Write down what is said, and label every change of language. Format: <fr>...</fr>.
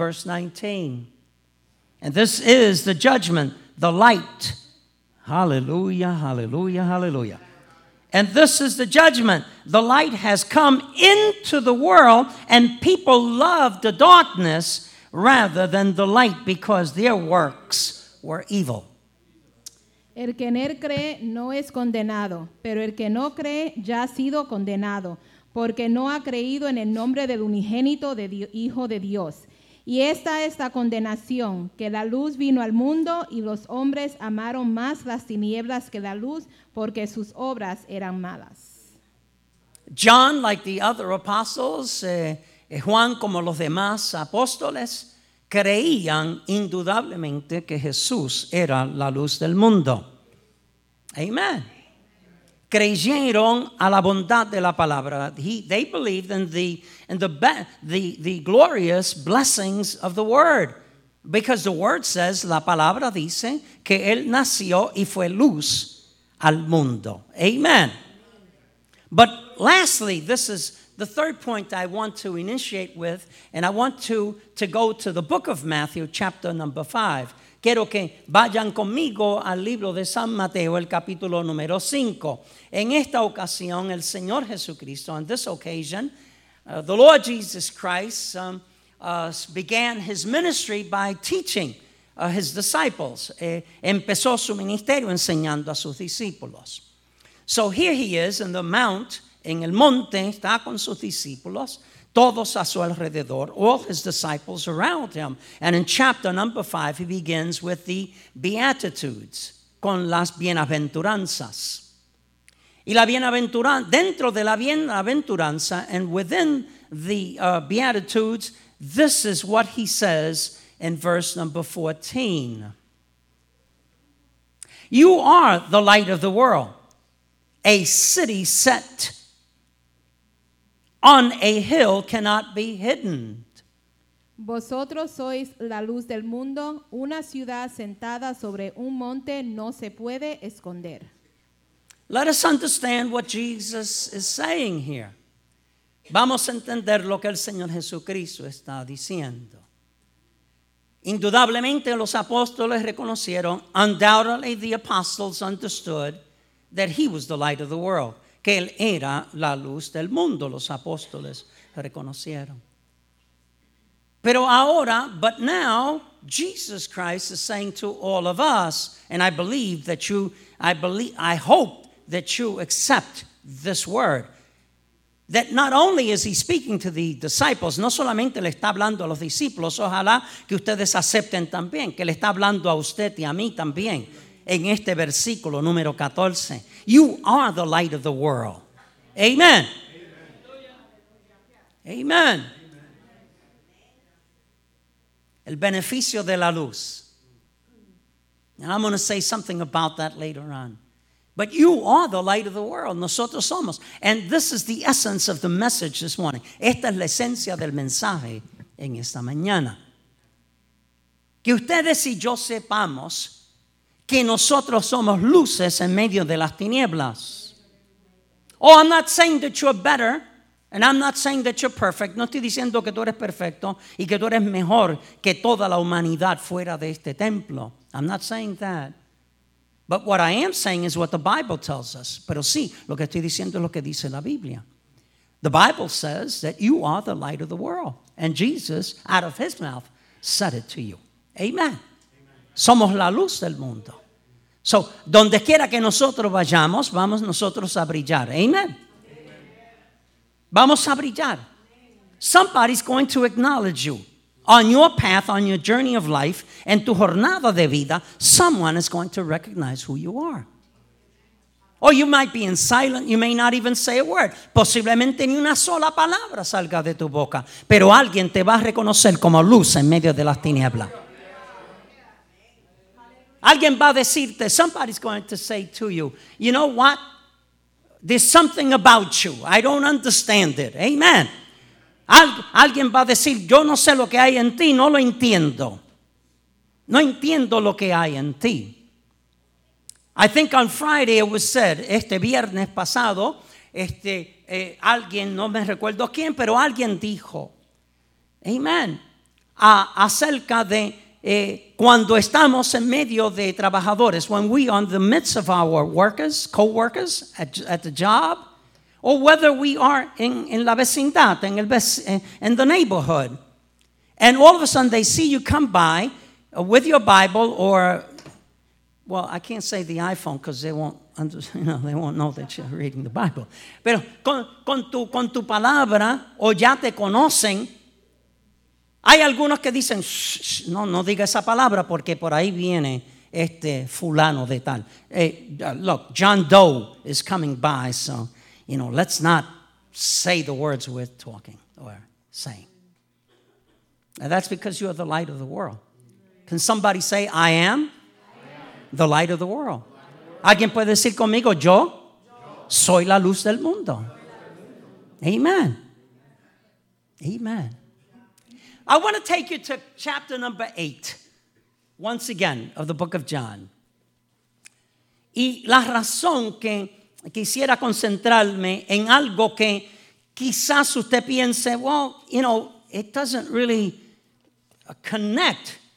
<en>Verse 19. And this is the judgment, the light. Hallelujah, hallelujah, hallelujah. And this is the judgment. The light has come into the world, and people loved the darkness rather than the light because their works were evil.</en> <es>El que en él cree no es condenado, pero el que no cree ya ha sido condenado, porque no ha creído en el nombre del unigénito de Hijo de Dios. Y esta es la condenación, que la luz vino al mundo y los hombres amaron más las tinieblas que la luz, porque sus obras eran malas.</es> <en>John, like the other apostles,</en> <es>Juan como los demás apóstoles, creían indudablemente que Jesús era la luz del mundo. Amen. Creyeron a la bondad de la palabra.</es> <en>They believed in the glorious blessings of the word. Because the word says,</en> <es>la palabra dice, que él nació y fue luz al mundo. Amen.</es> <en>But lastly, this is the third point I want to initiate with, and I want to go to the book of Matthew, chapter number 5.</en> <es>Quiero que vayan conmigo al libro de San Mateo, el capítulo número 5. En esta ocasión, el Señor Jesucristo,</es> <en>on this occasion, the Lord Jesus Christ began his ministry by teaching his disciples.</en> <es>Empezó su ministerio enseñando a sus discípulos.</es> <en>So here he is in the mount,</en> <es>en el monte, está con sus discípulos, todos a su alrededor,</es> <en>all his disciples around him. And in chapter number 5, he begins with the Beatitudes,</en> <es>con las bienaventuranzas. Y la bienaventuranza, dentro de la bienaventuranza,</es> <en>and within the Beatitudes, this is what he says in verse number 14. You are the light of the world, a city set on a hill cannot be hidden.</en> <es>Vosotros sois la luz del mundo. Una ciudad sentada sobre un monte no se puede esconder.</es> <en>Let us understand what Jesus is saying here.</en> <es>Vamos a entender lo que el Señor Jesucristo está diciendo. Indudablemente los apóstoles reconocieron,</es> <en>undoubtedly the apostles understood that he was the light of the world.</en> <es>Que él era la luz del mundo, los apóstoles reconocieron. Pero ahora,</es> <en>but now, Jesus Christ is saying to all of us, and I hope that you accept this word, that not only is he speaking to the disciples,</en> <es>no solamente le está hablando a los discípulos, ojalá que ustedes acepten también, que le está hablando a usted y a mí también. En este versículo número 14,</es> <en>you are the light of the world. Amen. Amen. Amen.</en> <es>El beneficio de la luz.</es> <en>And I'm going to say something about that later on. But you are the light of the world.</en> <es>Nosotros somos.</es> <en>And this is the essence of the message this morning.</en> <es>Esta es la esencia del mensaje en esta mañana. Que ustedes y yo sepamos que nosotros somos luces en medio de las tinieblas.</es> <en>Oh, I'm not saying that you're better, and I'm not saying that you're perfect.</en> <es>No estoy diciendo que tú eres perfecto y que tú eres mejor que toda la humanidad fuera de este templo.</es> <en>I'm not saying that. But what I am saying is what the Bible tells us.</en> <es>Pero sí, lo que estoy diciendo es lo que dice la Biblia.</es> <en>The Bible says that you are the light of the world, and Jesus, out of his mouth, said it to you.</en> <es>Amen. Somos la luz del mundo.</es> <en>So,</en> <es>donde quiera que nosotros vayamos, vamos nosotros a brillar. Amen. Vamos a brillar.</es> <en>Somebody's going to acknowledge you. On your path, on your journey of life,</en> <es>en tu jornada de vida,</es> <en>someone is going to recognize who you are. Or you might be in silence, you may not even say a word.</en> <es>Posiblemente ni una sola palabra salga de tu boca, pero alguien te va a reconocer como luz en medio de las tinieblas. Alguien va a decirte,</es> <en>somebody's going to say to you, you know what? There's something about you. I don't understand it. Amen.</en> <es>Alguien va a decir, yo no sé lo que hay en ti, no lo entiendo. No entiendo lo que hay en ti.</es> <en>I think on Friday it was said,</en> <es>este viernes pasado, alguien, no me recuerdo quién, pero alguien dijo, amen, acerca de cuando estamos en medio de trabajadores,</es> <en>when we are in the midst of our workers, co-workers at the job, or whether we are in</en> <es>la vecindad,</es> <en>in the neighborhood, and all of a sudden they see you come by with your Bible or, well, I can't say the iPhone because they won't, understand, you know, they won't know that you're reading the Bible.</en> <es>Pero con tu palabra o ya te conocen. Hay algunos que dicen, shh, no diga esa palabra porque por ahí viene este fulano de tal.</es> <en>Hey, look, John Doe is coming by, so you know, let's not say the words we're talking or saying. And that's because you are the light of the world. Can somebody say, I am? The light of the world.</en> <es>¿Alguien puede decir conmigo, yo soy la luz del mundo? Amen. Amen.</es> <en>I want to take you to chapter number 8, once again, of the book of John.</en> <es>Y la razón que quisiera concentrarme en algo que quizás usted piense,</es> <en>well, you know, it doesn't really connect.</en>